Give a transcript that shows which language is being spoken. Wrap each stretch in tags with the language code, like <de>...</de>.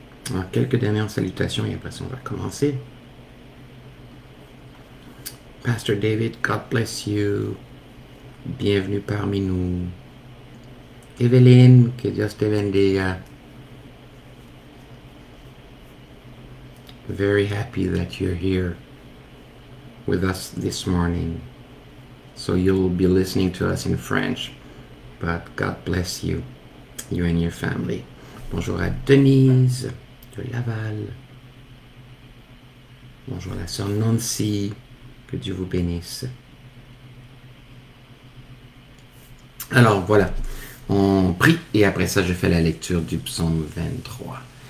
<fr>Alors, quelques dernières salutations et après on va commencer.</fr> <en>Pastor David, God bless you.</en> <fr>Bienvenue parmi nous.</fr> <es>Evelyne, que Dios te bendiga.</es> <en>Very happy that you're here with us this morning. So you'll be listening to us in French. But God bless you, you and your family.</en> <fr>Bonjour à Denise de Laval. Bonjour à la sœur Nancy. Que Dieu vous bénisse. Alors voilà, on prie et après ça je fais la lecture du psaume 23.</fr>